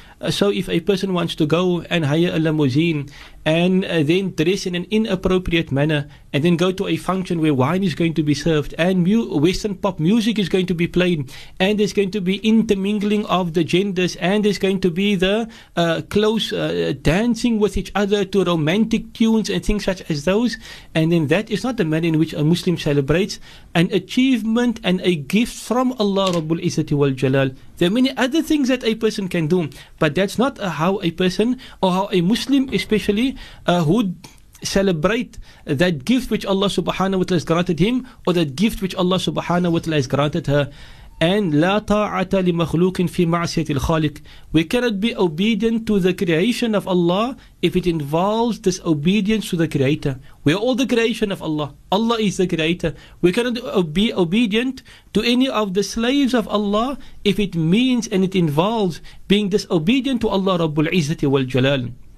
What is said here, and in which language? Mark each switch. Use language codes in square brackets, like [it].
[en] So if a person wants to go and hire a limousine and then dress in an inappropriate manner and then go to a function where wine is going to be served and Western pop music is going to be played and there's going to be intermingling of the genders and there's going to be the close dancing with each other to romantic tunes and things such as those, and then that is not the manner in which a Muslim celebrates an achievement and a gift from Allah Rabbul Izzati wal Jalal. There are many other things that a person can do, but that's not how a person, or how a Muslim especially, who celebrate that gift which Allah subhanahu wa ta'ala has granted him, or that gift which Allah subhanahu wa ta'ala has granted her. [ar] And لا طاعة لمخلوق في معصية الخالق. [en] We cannot be obedient to the creation of Allah if it involves disobedience to the Creator. We are all the creation of Allah. Allah is the Creator. We cannot be obedient to any of the slaves of Allah if it means and it involves being disobedient to Allah [ar] رب العزة والجلال.